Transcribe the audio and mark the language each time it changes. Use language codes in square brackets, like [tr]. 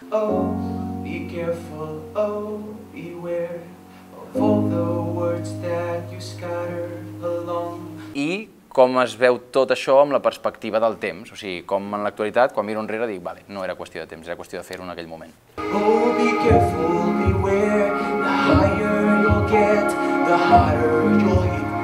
[en] Oh, be careful, oh, beware of all the words that you scatter along. [ca] I com es veu tot això amb la perspectiva del temps, o sigui, com en l'actualitat, quan miro enrere dic, vale, no era qüestió de temps, era qüestió de fer-ho en aquell moment. [en] Oh, be careful, beware, the higher you'll get, the harder you'll hit.